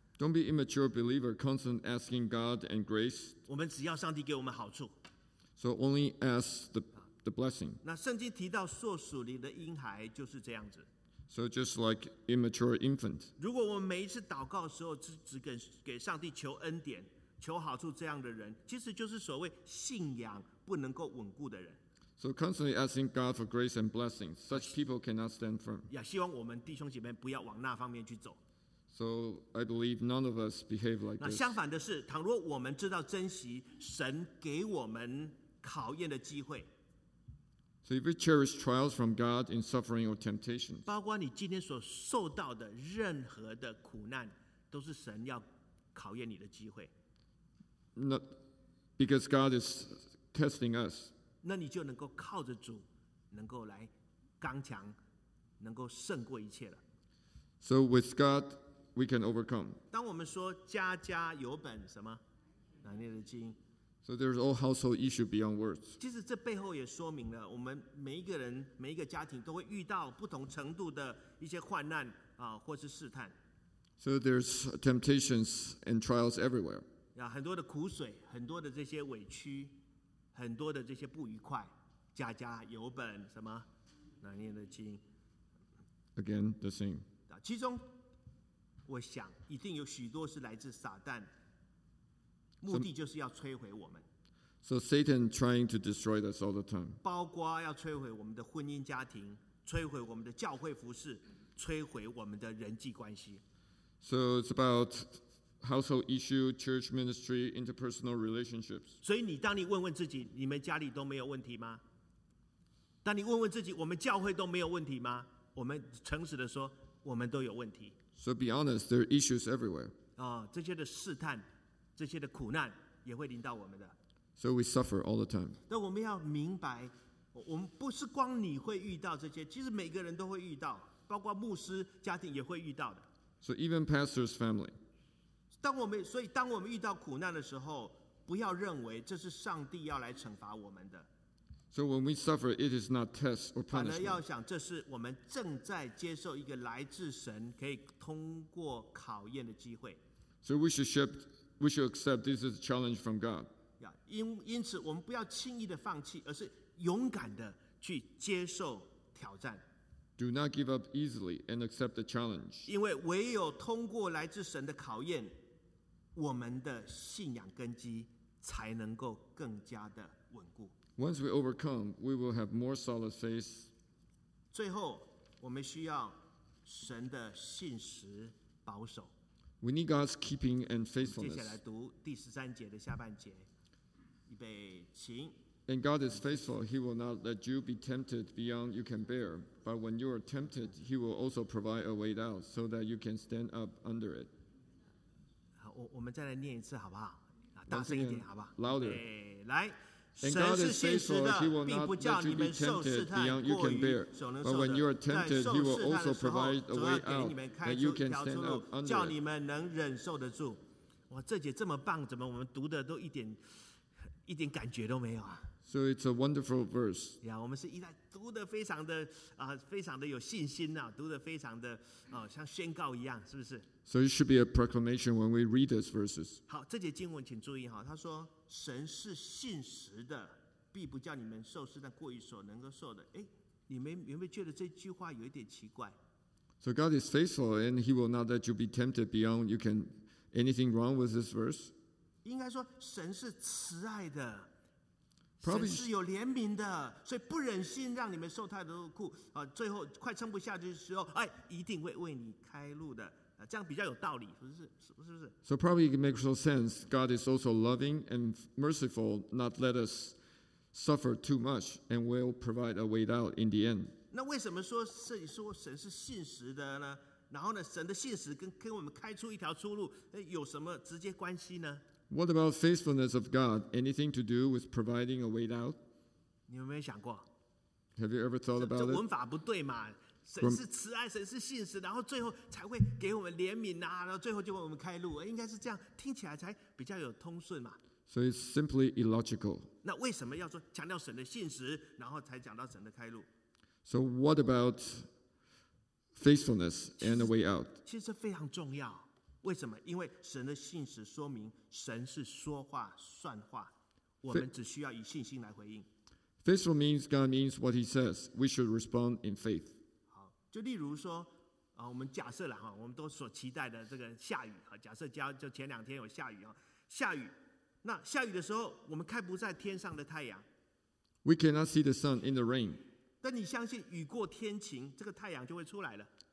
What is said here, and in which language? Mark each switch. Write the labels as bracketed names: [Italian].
[English] Don't be immature believer, constantly asking God and grace. [Chinese] 我们只要上帝给我们好处。 [English] So only ask the blessing. [Chinese] 那圣经提到受属灵的婴孩就是这样子。 [English] So just like immature infant. [Chinese] 如果我们每一次祷告的时候只给上帝求恩典、求好处这样的人，其实就是所谓信仰不能够稳固的人。 [English] So constantly asking God for grace and blessings, such people cannot stand firm. [Chinese] 希望我们弟兄姐妹不要往那方面去走。 [English] So I believe none of us behave like this. [Chinese] 那相反的是，倘若我们知道珍惜神给我们考验的机会。 [English] So if we cherish trials from God in suffering or temptations. [Chinese] 包括你今天所受到的任何的苦难，都是神要考验你的机会。 [English] Not because God is testing us. [Chinese] 那你就能够靠着主，能够来刚强，能够胜过一切了。 [English] So with God. We can overcome. [Chinese] 当我们说家家有本什么难念的经 [English] ，So there's all household issue beyond words. [Chinese] 其实这背后也说明了，我们每一个人、每一个家庭都会遇到不同程度的一些患难啊，或是试探。 [English] So there's temptations and trials everywhere. [Chinese] 很多的苦水，很多的这些委屈，很多的这些不愉快，家家有本什么难念的经。 [English] Again, the same. [Chinese] 其中。我想一定有许多是来自撒旦，目的就是要摧毁我们。 [English] So Satan trying to destroy us all the time. [Chinese] 包括要摧毁我们的婚姻家庭，摧毁我们的教会服事，摧毁我们的人际关系。 [English] So it's about household issue, church ministry, interpersonal relationships. [Chinese] 所以你当你问问自己，你们家里都没有问题吗？当你问问自己，我们教会都没有问题吗？我们诚实的说，我们都有问题。 [English] So be honest, there are issues everywhere. [Chinese] 这些的试探，这些的苦难也会临到我们的。 [English] So we suffer all the time. [Chinese] 那我们要明白，我们不是光你会遇到这些，其实每个人都会遇到，包括牧师家庭也会遇到的。 [English] So even pastor's family. [Chinese] 所以当我们遇到苦难的时候，不要认为这是上帝要来惩罚我们的。 [English] So when we suffer, it is not test or punishment. [Chinese] 反而要想，这是我们正在接受一个来自神可以通过考验的机会。 [English] So we should accept this is a challenge from God. [Chinese] 因此，我们不要轻易的放弃，而是勇敢的去接受挑战。 [English] Do not give up easily and accept the challenge. [Chinese] 因为唯有通过来自神的考验，我们的信仰根基才能够更加的稳固。 [English] Once we overcome, we will have more solid faith. [Chinese] 最后，我们需要神的信实保守。 [English] We need God's keeping and faithfulness. [Chinese] 接下来读第十三节的下半节，预备，请。 [English] And God is faithful. He will not let you be tempted beyond you can bear. But when you are tempted, He will also provide a way out so that you can stand up under it. [Chinese] 好，我们再来念一次，好不好？大声一点，好吧 [English] ？Louder. [Chinese] 来。 [English] And God is faithful, He will not let you be tempted beyond you can bear. But when you are tempted, He will also provide a way out that you can stand up under it. [Chinese] 哇，这节这么棒，怎么我们读的都一点感觉都没有啊？ [English] So it's a wonderful verse. [Chinese] 呀，我们是一在读的非常的啊，非常的有信心啊，读的非常的啊，像宣告一样，是不是？ [English] So it should be a proclamation when we read these verses. [Chinese] 好，这节经文请注意哈，他说。神是信实的，必不叫你们受试探过于所能够受的。哎，你们有没有觉得这句话有一点奇怪 [English] ？So God is faithful, and He will not let you be tempted beyond you can. Anything wrong with this verse? [Chinese] 应该说神是慈爱的，神是有怜悯的，所以不忍心让你们受太多苦啊。最后快撑不下去的时候，哎，一定会为你开路的。这样比较有道理，是不是 [English] ？So probably it makes no sense. God is also loving and merciful, not let us suffer too much, and will provide a way out in the end. [Chinese] 那为什么说神是信实的呢？然后呢，神的信实跟我们开出一条出路，有什么直接关系呢 [English] ？What about faithfulness of God? Anything to do with providing a way out? [Chinese] 你有没有想过 [English] ？Have you ever thought about it? [Chinese] 这文法不对嘛？神是慈爱，神是信实，然后最后才会给我们怜悯啊，然后最后就为我们开路，应该是这样，听起来才比较有通顺嘛。 [English] So it's simply illogical. [Chinese] 那为什么要说强调神的信实，然后才讲到神的开路 [English] ？So what about faithfulness and a way out? [Chinese] 其实这非常重要。为什么？因为神的信实说明神是说话算话，我们只需要以信心来回应。 [English] Faithful means God means what He says. We should respond in faith. [Chinese] 就例如说，我们假设了我们都所期待的这个下雨，假设就前两天有下雨下雨，那下雨的时候，我们看不在天上的太阳。 [English] We cannot see the sun in the rain. [Chinese] 但你相信雨过天晴，这个太阳就会出来了。